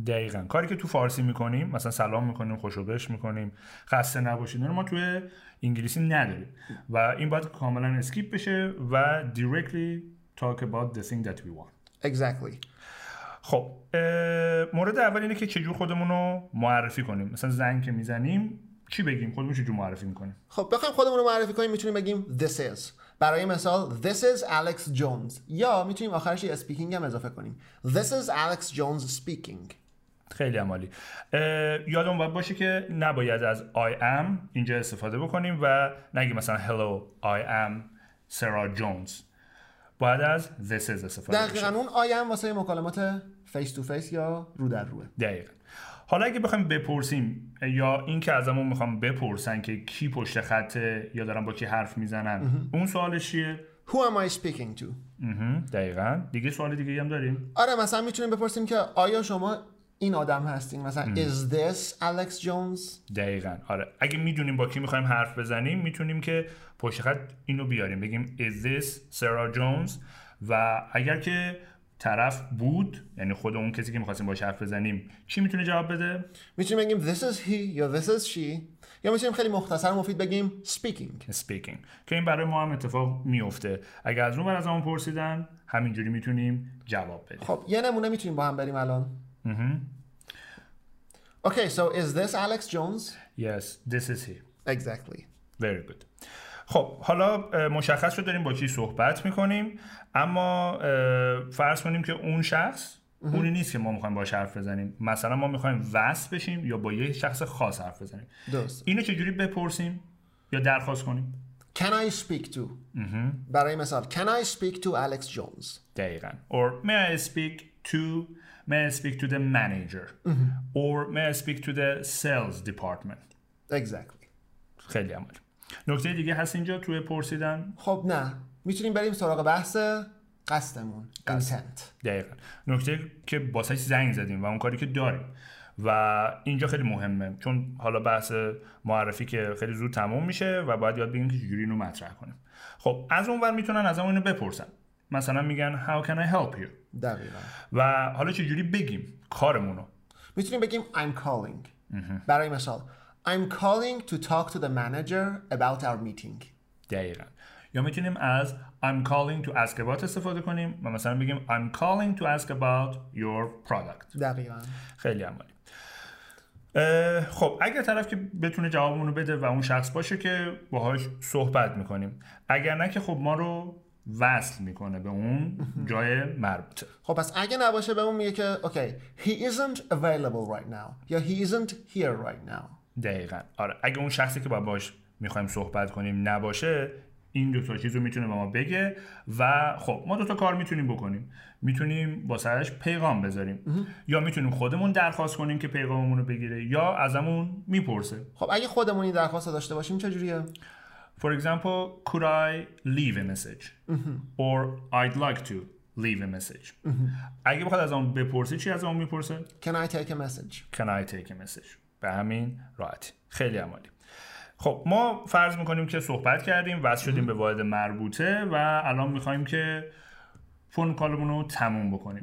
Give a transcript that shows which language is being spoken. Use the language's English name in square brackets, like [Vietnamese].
[Persian] دقیقاً کاری که تو فارسی میکنیم، مثلا سلام میکنیم، خوشو بش میکنیم، خسته نباشید، ما توی انگلیسی نداریم و این باید کاملا اسکیپ بشه و [English] directly talk about the thing that we want. Exactly. [Persian] خب مورد اول اینه که چجور خودمونو معرفی کنیم. مثلا زنگ که میزنیم چی بگیم؟ خودمون چجور معرفی میکنیم؟ خب بخوایم خودمونو معرفی کنیم میتونیم بگیم [English] this is. [Persian] برای مثال [English] this is Alex Jones. [Persian] یا میتونیم آخرش speaking هم اضافه کنیم. [English] This is Alex Jones speaking. [Persian] خیلی عمالی. یادمون باید باشه که نباید از [English] I am [Persian] اینجا استفاده بکنیم و نگیم مثلا [English] hello I am Sarah Jones. [Persian] باید از this is استفاده بشه. دقیقاً اون I am واسه مکالمات فیس تو فیس یا رو در روه. دقیقاً. حالا اگه بخوایم بپرسیم یا این که ازمون میخوام بپرسن که کی پشت خطه یا دارن با کی حرف میزنن، اون سوالش چیه؟ [English] Who am I speaking to؟ [Persian] دقیقاً. دیگه سوال دیگه هم داریم؟ آره مثلا میتونیم بپرسیم که آیا شما این آدم هستین، مثلا [English] Is this Alex Jones؟ [Persian] دقیقاً. آره اگه میدونیم با کی میخوایم حرف بزنیم میتونیم که پشت خط اینو بیاریم بگیم [English] Is this Sarah Jones؟ [Persian] و اگر که طرف بود، یعنی خود اون کسی که میخواستیم باش حرف بزنیم، چی میتونه جواب بده؟ میتونیم بگیم [English] This is he [Persian] یا [English] This is she، [Persian] یا میتونیم خیلی مختصر مفید بگیم [English] Speaking [Persian] که این برای ما هم اتفاق میفته. اگر از اون بر از اون پرسیدن همینجوری میتونیم جواب بدیم. خب یه نمونه میتونیم با هم بریم الان. [English] Okay, so is this Alex Jones? Yes, this is he. Exactly. Very good. [Persian] خب حالا مشخص شد داریم با کی صحبت میکنیم، اما فرض کنیم که اون شخص اونی نیست که ما میخوایم باهاش حرف بزنیم. مثلا ما میخوایم وصل بشیم یا با یه شخص خاص حرف بزنیم. درست. اینو چجوری بپرسیم یا درخواست کنیم؟ [English] Can I speak to؟ [Persian] برای مثال [English] Can I speak to Alex Jones؟ [Persian] دقیقاً. [English] Or may I speak to؟ May I speak to the manager or may I speak to the sales department. Exactly. [Persian] خیلی عمالی. نکته دیگه هست اینجا توی پرسیدن؟ خب نه، میتونیم بریم سراغ بحث قصدمون. قصد. Intent. دقیقا. نکته که باسش زنگ زدیم و اون کاری که داریم و اینجا خیلی مهمه، چون حالا بحث معرفی که خیلی زود تموم میشه و باید یاد بگیم که چجوری اینو مطرح کنیم. خب از اون ور میتونن از اون بپرسن، مثلا میگن [English] How can I help you؟ [Persian] دقیقا. و حالا چجوری بگیم کارمونو؟ میتونیم بگیم [English] I'm calling. [Persian] برای مثال [English] I'm calling to talk to the manager about our meeting. [Persian] دقیقا. یا میتونیم از I'm calling to ask about استفاده کنیم و مثلا بگیم [English] I'm calling to ask about your product. [Persian] دقیقا. خیلی عمالی. خب اگر طرف که بتونه جوابمونو بده و اون شخص باشه که باهاش صحبت میکنیم، اگر نه که خب ما رو وصل میکنه به اون جای مربوطه. خب پس اگه نباشه به اون میگه که اوکی [English] he isn't available right now [Persian] یا [English] he isn't here right now. [Persian] دقیقاً. آره اگه اون شخصی که با باش میخوایم صحبت کنیم نباشه، این دو تا چیزو میتونه به ما بگه و خب ما دو تا کار میتونیم بکنیم. میتونیم واسهش پیغام بذاریم یا میتونیم خودمون درخواست کنیم که پیغاممون رو بگیره یا ازمون میپرسه. خب اگه خودمون این درخواست داشته باشیم چه جوریه؟ [English] For example, could I leave a message? Or I'd like to leave a message. [Persian] اگه بخواد از اون بپرسه چی از اون میپرسه؟ [English] Can I take a message? Can I take a message? [Persian] به همین راحتی. خیلی عمالی. خب ما فرض میکنیم که صحبت کردیم، وصل شدیم به واحد مربوطه و الان میخواییم که فون کالمون رو تموم بکنیم.